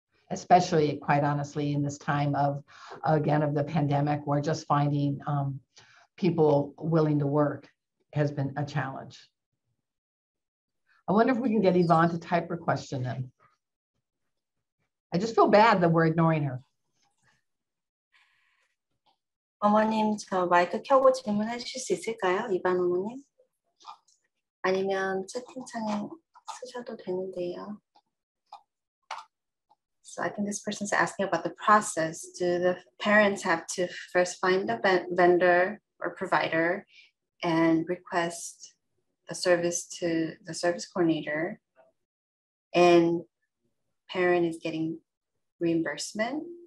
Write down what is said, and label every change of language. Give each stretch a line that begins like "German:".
English: Especially, quite honestly, in this time of, again, of the pandemic, where just finding people willing to work has been a challenge. I wonder if we can get Yvonne to type her question in. I just feel bad that we're ignoring her.
Korean: 어머님, 저 마이크 켜고 질문해 주실 수 있을까요, 이반 어머님? 아니면 채팅창에 쓰셔도 되는데요.
English: So I think this person is asking about the process. Do the parents have to first find a vendor or provider and request a service to the service coordinator, and parent is getting reimbursement?